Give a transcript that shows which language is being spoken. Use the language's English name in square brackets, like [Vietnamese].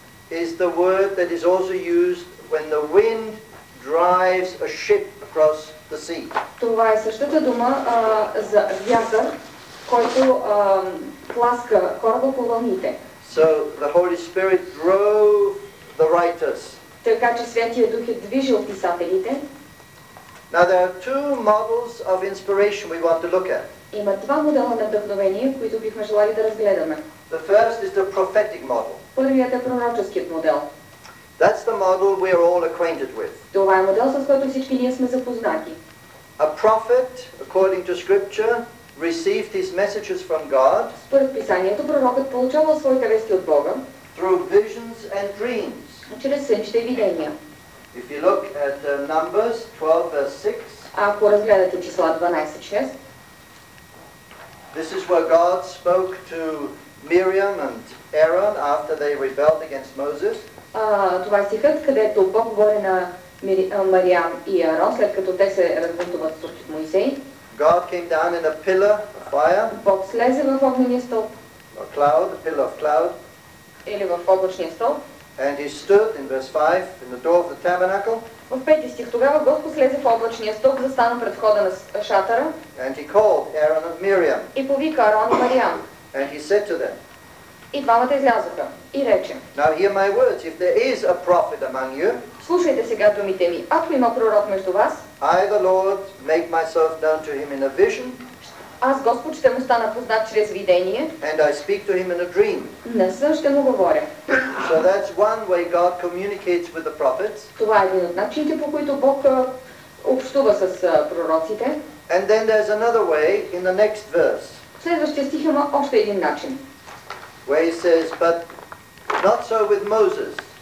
[English] is the word that is also used when the wind drives a ship across the sea. [Bulgarian] Това е същата дума за вятър, който пласка кораба по вълните. [English] So the Holy Spirit drove the writers. [Bulgarian] Така че Святия Дух е движил писателите. [English] Now there are two models of inspiration we want to look at. [Bulgarian] Има два модела на вдъхновение, които бихме желали да разгледаме. [English] The first is the prophetic model. [Bulgarian] Първият е пророческият модел. [English] That's the model we are all acquainted with. [Bulgarian] Това е модел, с който всички ние сме запознати. [English] A prophet, according to Scripture, received his messages from God. [Bulgarian] Според писанието, пророкът получавал своите вести от Бога. [English] Through visions and dreams. [Bulgarian] Чрез сънища и видения. [English] If you look at Numbers 12:6. [Bulgarian] Ако разгледате числа 12:6. [English] This is where God spoke to Miriam and Aaron after they rebelled against Moses. [Bulgarian] Това е стихът, където Бог говори на Мариам и Аарон, след като те се разбунтуват против Моисей. [English] God came down in a pillar of fire. [Bulgarian] Бог слезе в огнения стълб. [English] A cloud, a pillar of cloud. [Bulgarian] Или в облачния стълб. [English] And he stood in verse 5 in the door of the tabernacle. [Bulgarian] В пети стих тогава Господ слезе в облачния стълб, застана пред входа на шатъра. [English] And he called Aaron and Miriam. [Bulgarian] И повика Аарон и Мариам. [English] And he said to them. [Bulgarian] И двамата излязоха и рече. [English] Now hear my words, if there is a prophet among you. [Bulgarian] Слушайте сега думите ми. Ако има пророк между вас, [English] I the Lord make myself known to him in a vision. [Bulgarian] Аз Господ ще му стана познат чрез видение. [English] And I speak to him in a dream. [Bulgarian] На сън ще му говоря. [English] So that's one way God communicates with the prophets. [Bulgarian] Това е един от начините, по които Бог общува с пророците. [English] And then there's another way in the next verse. [Bulgarian] Следващия стих има още един начин. [English] Where he says, but not so with Moses.